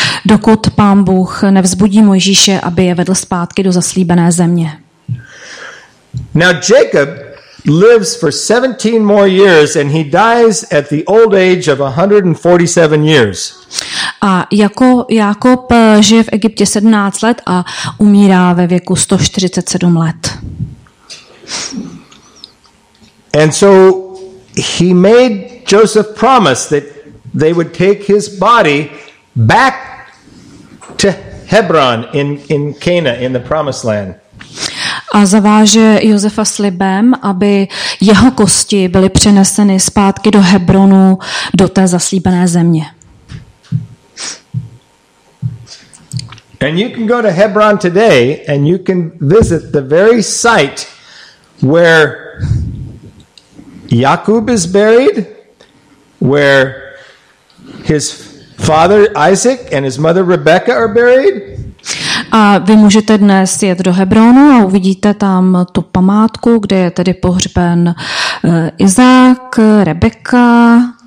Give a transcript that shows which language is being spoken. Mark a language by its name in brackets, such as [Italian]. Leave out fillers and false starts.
[Czech] Dokud Pán Bůh nevzbudí Mojžíše, aby je vedl zpátky do zaslíbené země. [English] Now Jacob lives for 17 more years and he dies at the old age of 147 years. [Czech] A Jakob žije v Egyptě 17 let a umírá ve věku 147 let. [English] And so he made Joseph promise that they would take his body back to Hebron in Cana in the promised land. [Czech] A zaváže Josefa slibem, aby jeho kosti byly přeneseny zpátky do Hebronu, do té zaslíbené země. [English] And you can go to Hebron today and you can visit the very site where Jakub is buried, where his father Isaac and his mother Rebecca are buried. [Czech] A vy můžete dnes jet do Hebronu a uvidíte tam tu památku, kde je tedy pohřben Izák, Rebeka,